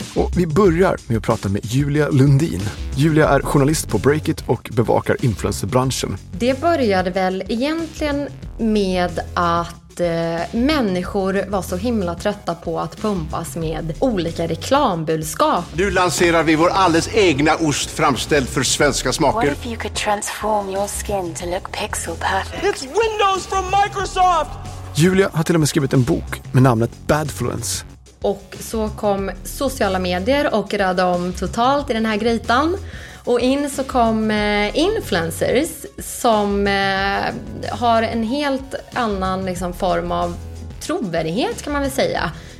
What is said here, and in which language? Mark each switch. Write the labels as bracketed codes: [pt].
[sv] Och vi börjar med att prata med Julia Lundin. Julia är journalist på Breakit och bevakar influencerbranschen. Det började väl egentligen med att människor var så himla trötta på att pumpas med olika reklambudskap. Nu lanserar vi vår alldeles egna ost framställd för svenska smaker. [en] What if you could transform your skin to look pixel perfect? It's Windows from Microsoft! [sv] Julia har till och med skrivit en bok med namnet Badfluence. Och så kom sociala medier och rörde om totalt i den här grytan. Och in så kom influencers som har en helt annan liksom form av trovärdighet, kan man väl säga.